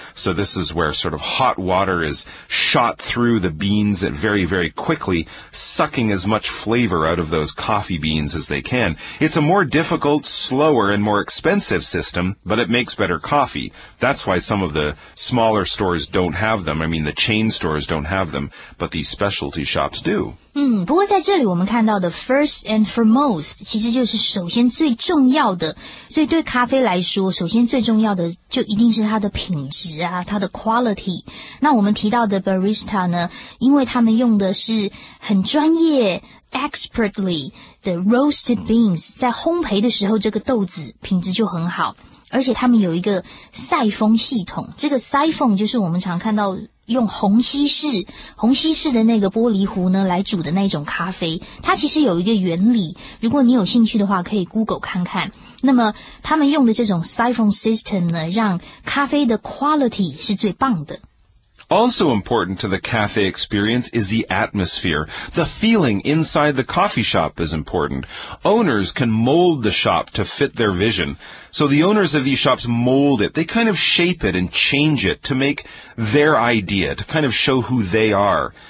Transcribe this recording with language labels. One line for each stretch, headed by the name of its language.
English: So this is where sort of hot water is shot through the beans at very, very quickly, sucking as much flavor out of those coffee beans as they can. It's a more difficult, slower, and more expensive system, but it makes better coffee. That's why some of the smaller stores don't have them. I mean, the chain stores don't have them, but these specialty shops do.
Chinese: 不过在这里我们看到的
English: first and foremost
Chinese: 其实就是首先最重要的。所以对咖啡来说，首先最重要的就一定是它的品质啊，它的 quality。那我们提到的 barista 呢，因为他们用的是很专业expertly 的 roasted beans， 在烘焙的时候这个豆子品质就很好。而且他们有一个赛风系统，这个 siphon 就是我们常看到用虹吸式的那个玻璃壶呢来煮的那种咖啡，它其实有一个原理，如果你有兴趣的话可以 Google 看看。那么他们用的这种 siphon system 呢，让咖啡的 quality 是最棒的。
English: Also important to the cafe experience is the atmosphere. The feeling inside the coffee shop is important. Owners can mold the shop to fit their vision. So the owners of these shops mold it. They kind of shape it and change it to make their idea, to kind of show who they are.